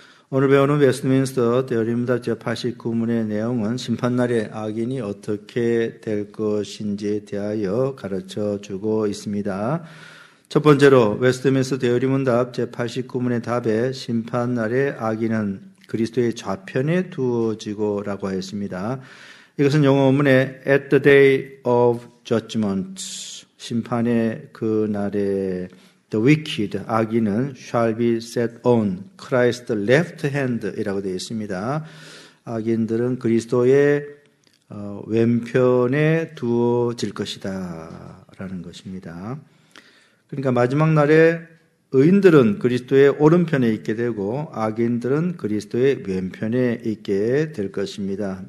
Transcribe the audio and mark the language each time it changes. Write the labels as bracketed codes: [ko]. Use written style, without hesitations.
[ko] 오늘 배우는 웨스트민스터 대여림문답 제89문의 내용은 심판날의 악인이 어떻게 될 것인지에 대하여 가르쳐 주고 있습니다. 첫 번째로 웨스트민스터 대여림문답 제89문의 답에 심판날의 악인은 그리스도의 좌편에 두어지고 라고 하였습니다. 이것은 영어 원문에 [en] at the day of judgment, [ko] 심판의 그날에 [en] The wicked, [ko] 악인은 [en] shall be set on Christ's left hand [ko] 이라고 되어 있습니다. 악인들은 그리스도의 왼편에 두어질 것이다 라는 것입니다. 그러니까 마지막 날에 의인들은 그리스도의 오른편에 있게 되고 악인들은 그리스도의 왼편에 있게 될 것입니다.